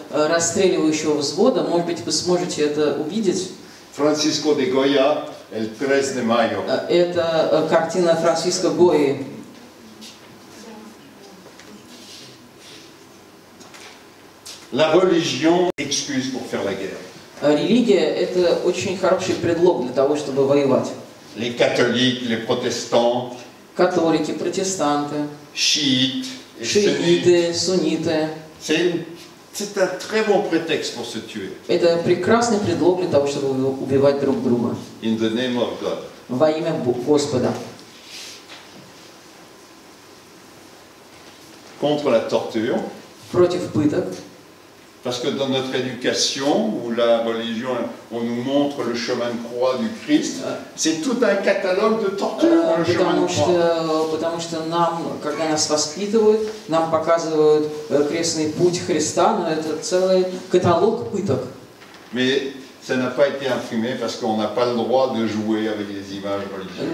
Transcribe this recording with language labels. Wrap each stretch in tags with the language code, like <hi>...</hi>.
<ru>Расстреливающего взвода, может быть, вы сможете это увидеть. Франциско де Гоя, el 3 de mayo. Это картина Франциско Гои.</ru> <fr>La religion excuse pour faire la guerre.</fr> <ru>Религия – это очень хороший предлог для того, чтобы воевать.</ru> <fr>Les catholiques, les protestants.</fr> <ru>Католики, протестанты. Шииты, сунниты.</ru> <fr>C'est un très bon prétexte pour se tuer.</fr> <ru>Это прекрасный предлог для того, чтобы убивать друг друга.</ru> <en>In the name of God.</en> <ru>Во имя Господа.</ru> <fr>Contre la torture.</fr> <ru>Против пыток.</ru> <fr>Parce que dans notre éducation ou la religion, on nous montre le chemin de croix du Christ. C'est tout un catalogue de tortures.</fr> <ru>Потому что нам, когда нас воспитывают, нам показывают крестный путь Христа, но это целый каталог пыток.</ru> <fr>Mais ça n'a pas été imprimé parce qu'on n'a pas le droit de jouer avec les images religieuses.</fr>